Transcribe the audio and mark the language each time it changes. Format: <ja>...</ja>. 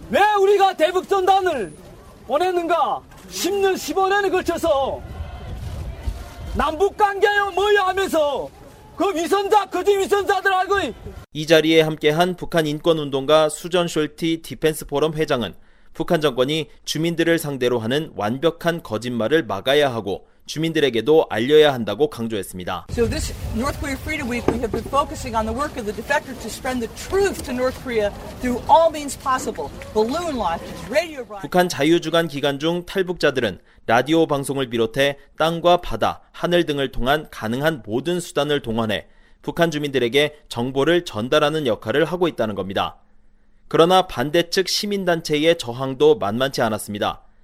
<ko>왜 우리가 대북전단을 원했는가? 10년, 15년에 걸쳐서 남북관계요 뭐야 하면서 그 위선자, 거짓 위선자들 알고 이 자리에 함께한 북한인권운동가 수전 숄티 디펜스 포럼 회장은 북한 정권이 주민들을 상대로 하는 완벽한 거짓말을 막아야 하고 주민들에게도 알려야 한다고 강조했습니다.</ko> <en>So this North Korea Freedom Week we have been focusing on the work of the defector to spread the truth to North Korea through all means possible. Balloon launches, radio broadcast.</en> <ko>북한 자유주간 기간 중 탈북자들은 라디오 방송을 비롯해 땅과 바다, 하늘 등을 통한 가능한 모든 수단을 동원해 북한 주민들에게 정보를 전달하는 역할을 하고 있다는 겁니다. 그러나 반대측 시민단체의 저항도 만만치 않았습니다.</ko>